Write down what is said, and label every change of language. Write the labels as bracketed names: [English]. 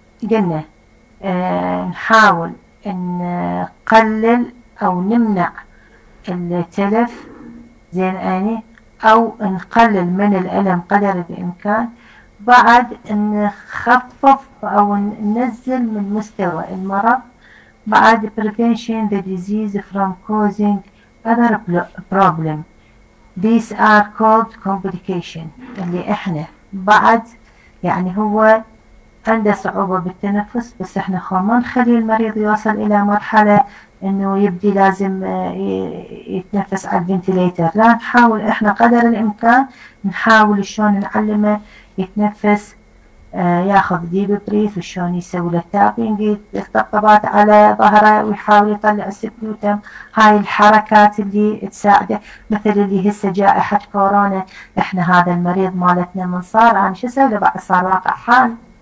[Arabic] قلنا نحاول نقلل أو نمنع التلف. زين أني أو نقلل من الألم قدر الإمكان. بعد نخفف أو ننزل من مستوى المرض. بعد [English] prevention the disease from causing other problem. These are called complication. [Arabic] اللي احنا بعد يعني هو عنده صعوبة بالتنفس، بس احنا هون ما نخلي المريض يوصل إلى مرحلة إنه يبدي لازم يتنفس على الفنتيليتر، لا نحاول احنا قدر الإمكان نحاول شلون نعلمه يتنفس، ياخذ ديب بريث وشلون يسوي له تابينج الطبطبات على ظهره ويحاول يطلع السبيوتم، هاي الحركات اللي تساعده، مثل اللي هسه جائحة كورونا احنا هذا المريض مالتنا من صار انا يعني شو اسوي له بعد صار واقع حال